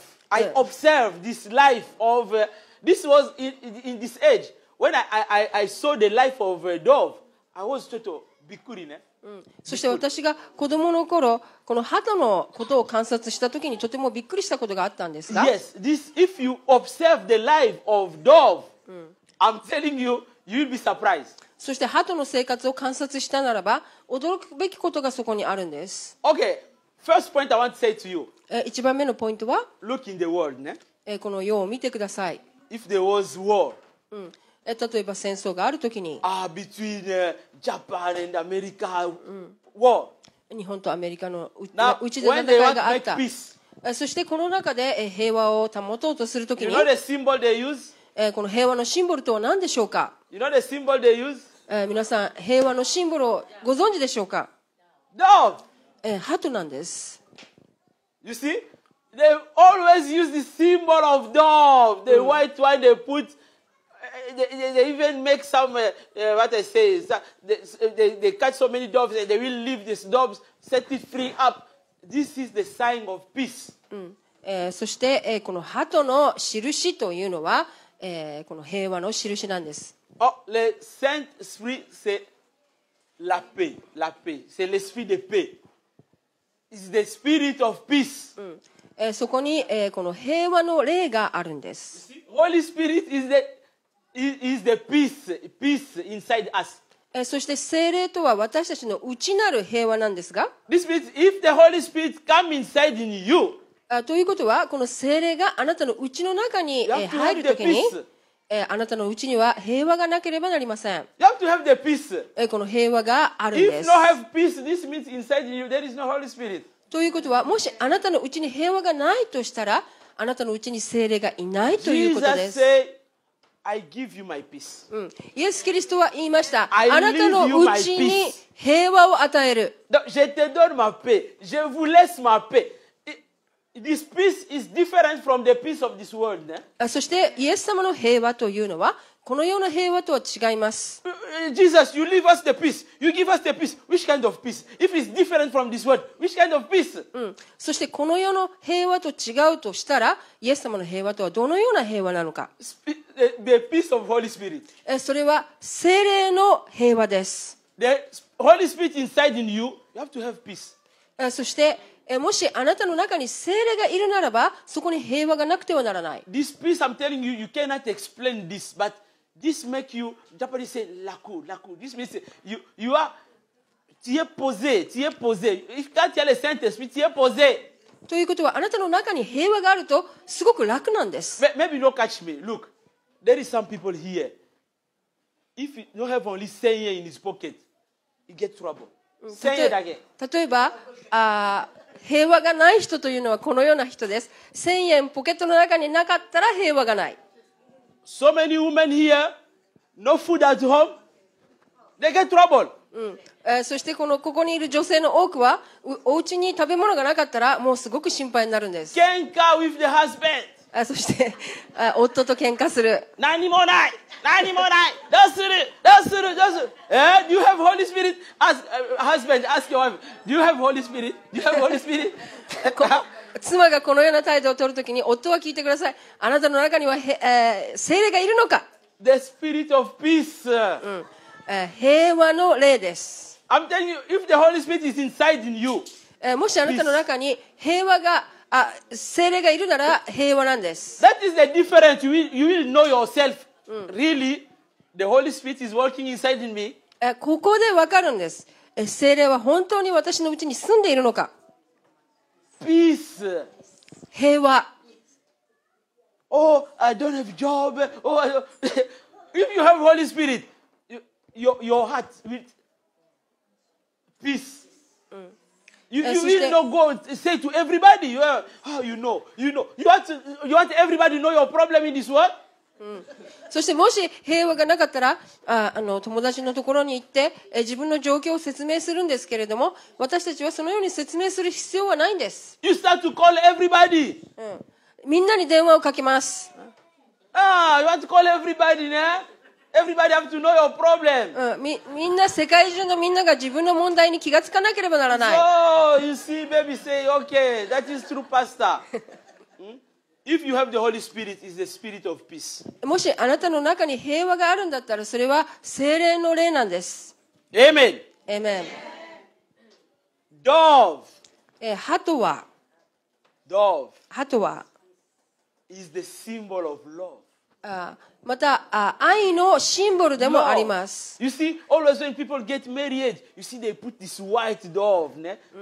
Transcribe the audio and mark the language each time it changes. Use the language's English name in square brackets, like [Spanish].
[English] I observe this life of this was in this age when I saw the life of a dove. I was total [Japanese] bikuri ne. そして私が子供の頃この鳩のことを観察した時にとてもびっくりしたことがあったんですが。 [English] Yes, this if you observe the life of dove, I'm telling you, you'll be surprised. [Japanese] そして鳩の生活を観察したならば驚くべきことがそこにあるんです。 [English] Okay. First point I want to say to you. [Japanese] 一番目のポイントは、 [English] Look in the world, ね。 [Japanese] この世を見てください。 [English] If there was war. [Japanese] 例えば戦争があるときに、 [English] Between Japan and America, war. [Japanese] 日本とアメリカのうちで戦いがあった。 [English] Now, when they want to make peace. [Japanese] そしてこの中で平和を保とうとするときに、 [English] You know the symbol they use? [Japanese] この平和のシンボルとは何でしょうか。 [English] You know the symbol they use? [Japanese] 皆さん、平和のシンボルをご存知でしょうか。 [English] No! [Japanese] 鳩なんです。 [English] You see, they always use the symbol of dove, the white one. They put, they even make some, what I say is, they catch so many doves and they will leave these doves, set it free up. This is the sign of peace. [Japanese] そして、この鳩の印というのは、この平和の印なんです。 [French] Oh, le Saint Esprit, c'est la paix, la paix. C'est l'esprit de paix. [English] Is the spirit of peace. [Japanese] そこに、この平和の霊があるんです。 [English] See, Holy Spirit is the peace inside us. [Japanese] そして聖霊とは私たちの内なる平和なんですが。 [English] This means if the Holy Spirit come inside in you. [Japanese] ということはこの聖霊があなたの内の中に入るときに、あなたの内には平和がなければなりません。 [English] You have to have the peace. [Japanese] この平和があるんです。 [English] If not have peace, this means inside you there is no Holy Spirit. [Japanese] ということは、もしあなたの内に平和がないとしたら、あなたの内に聖霊がいないということです。 [English] Jesus said, I give you my peace. [Japanese] イエス・キリストは言いました。あなたの内に平和を与える。 [French] Je te donne ma paix. Je vous laisse ma paix. [English] This peace is different from the peace of this world. [Japanese] そしてイエス様の平和というのはこの世の平和とは違います。 [English] Jesus, you leave us the peace. You give us the peace. Which kind of peace? If it's different from this world, which kind of peace? [Japanese] そしてこの世の平和と違うとしたら、イエス様の平和とはどのような平和なのか。 [English] The peace of Holy Spirit. [Japanese] それは聖霊の平和です。 [English] The Holy Spirit inside in you, you have to have peace. [Japanese] そしてもしあなたの中に聖霊がいるならば、そこに平和がなくてはならない。 [English] This peace, I'm telling you, you cannot explain this, but this makes you, Japanese say, [Japanese] laku, laku. [English] This means you are, [French] tu es posé, tu es posé. [English] If that is the Saint Spirit, [French] tu es posé. [Japanese] ということは、あなたの中に平和があると、すごく楽なんです。 [English] Maybe don't catch me. Look, there is some people here. If you don't have only 1000 yen in his pocket, you get trouble. [Japanese] 1000 yen だけ。例えば、平和がない人というのはこのような人です。千円ポケットの中になかったら平和がない。 [English] So many women here, no food at home, they get trouble. [Japanese] そしてここにいる女性の多くは、お家に食べ物がなかったらもうすごく心配になるんです。喧嘩 [English] with the husband. [Japanese] そして夫と喧嘩する。何もない。何もない。どうする？どうする？どうする？ [English] Do you have Holy Spirit? Ask husband, ask your wife. Do you have Holy Spirit? Do you have Holy Spirit? [Japanese] 妻がこのような態度を取るときに夫は聞いてください。あなたの中には聖霊がいるのか [English] ？The Spirit of Peace. [Japanese] 平和の霊です。 [English] I'm telling you, if the Holy Spirit is inside in you, [Japanese] もしあなたの中に平和が聖霊がいるなら平和なんです。 [English] That is the difference. You will know yourself. Really, the Holy Spirit is working inside me. [Japanese] ここでわかるんです。聖霊は本当に私のうちに住んでいるのか。 [English] Peace. [Japanese] 平和。 [English] Oh, I don't have job. Oh, if you have Holy Spirit, your heart with peace. You will not go and say to everybody, you want everybody to know your problem in this world? [Japanese] そしてもし平和がなかったら友達のところに行って自分の状況を説明するんですけれども私たちはそのように説明する必要はないんです。 [English] You start to call everybody. [Japanese] みんなに電話をかけます。 [English] You want to call everybody, ne? Everybody have to know your problem. [Japanese] みんな世界中のみんなが自分の問題に気がつかなければならない。 [English] Oh, you see, baby, say, okay, that is true, pastor. If you have the Holy Spirit, it's the Spirit of Peace. [Japanese] もしあなたの中に平和があるんだったら、それは聖霊の霊なんです。 [English] Amen. Amen. Dove. [Japanese] ハトは [English] is the symbol of love. [Japanese] また愛のシンボルでもあります。 [English] You see, always when people get married, you see they put this white dove, ne?